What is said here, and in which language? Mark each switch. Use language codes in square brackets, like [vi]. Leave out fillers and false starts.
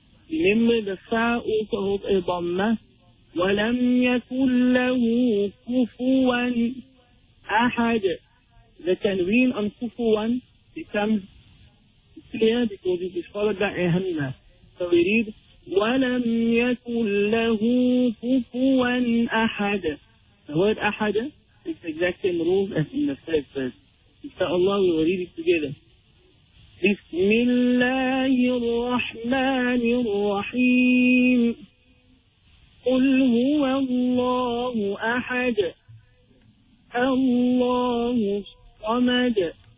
[en] Remember the fa also holds a dhamma. [ar] وَلَمْ يَكُنْ لَهُ كُفُوًا أَحَدٌ. [en] The tanween on kufuwan becomes clear because it is followed by a hamza. So we read, [ar] وَلَمْ يَكُنْ لَهُ كُفُوًا أَحَدٌ. [en] The word ahad is the exact same rules as in the first verse. InshaAllah, we will read it together. [ar] بسم الله الرحمن الرحيم. قل هو الله أحد. الله الصمد.